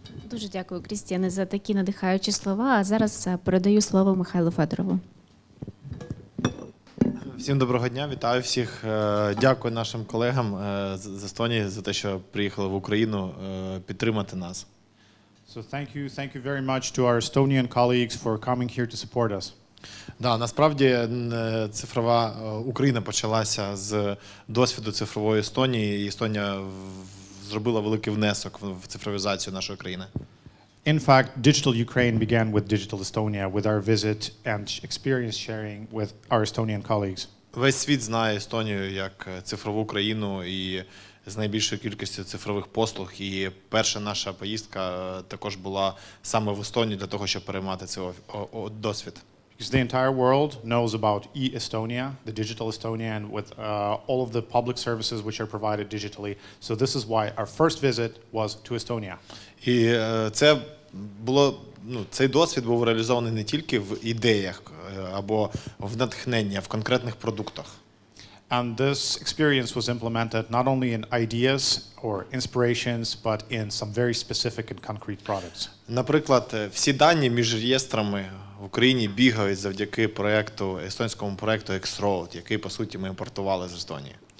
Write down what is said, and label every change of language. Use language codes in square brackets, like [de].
[uk] Дуже дякую, Крістіяне, за такі надихаючі слова. А зараз передаю слово Михайлу Федорову. Всім доброго дня, вітаю всіх. Дякую нашим колегам з Естонії за те, що приїхали в Україну підтримати нас. [en] So thank you very much to our Estonian colleagues for coming here to support us. [uk] Да, насправді цифрова Україна почалася з досвіду цифрової Естонії, і Естонія зробила великий внесок в цифровізацію нашої країни. [en] In fact, digital Ukraine began with digital Estonia, with our visit and experience sharing with our Estonian colleagues. [uk] Весь світ знає Естонію як цифрову країну і з найбільшою кількістю цифрових послуг. І перша наша поїздка також була саме в Естонії для того, щоб переймати цей досвід. [en] Because the entire world knows about e-Estonia, the digital Estonia, and with all of the public services which are provided digitally. So this is why our first visit was to Estonia. [uk] І це було, цей досвід був реалізований не тільки в ідеях або в натхненні, а в конкретних продуктах. [en] And this experience was implemented not only in ideas or inspirations, but in some very specific and concrete products. [uk] Наприклад, всі дані між реєстрами в Україні бігають завдяки проекту X-Road, який, по суті, ми імпортували з Естонії.